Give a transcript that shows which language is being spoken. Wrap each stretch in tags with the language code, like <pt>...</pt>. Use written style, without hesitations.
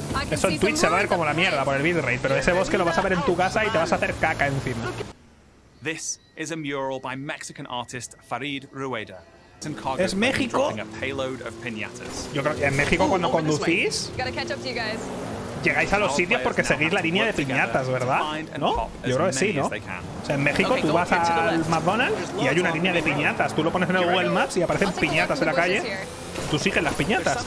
<es>Eso en Twitch se va a ver como la mierda por el bitrate, pero ese bosque lo vas a ver en tu casa y te vas a hacer caca encima.</es> <en>This is a mural by Mexican artist Farid Rueda.</en> <es>Es México. Yo creo que en México cuando conducís llegáis a los sitios porque seguís la línea de piñatas, ¿verdad? ¿No? Yo creo que sí, ¿no? O sea, en México tú vas al McDonald's y hay una línea de piñatas. Tú lo pones en el Google Maps y aparecen piñatas en la calle. Tú sigues las piñatas.</es>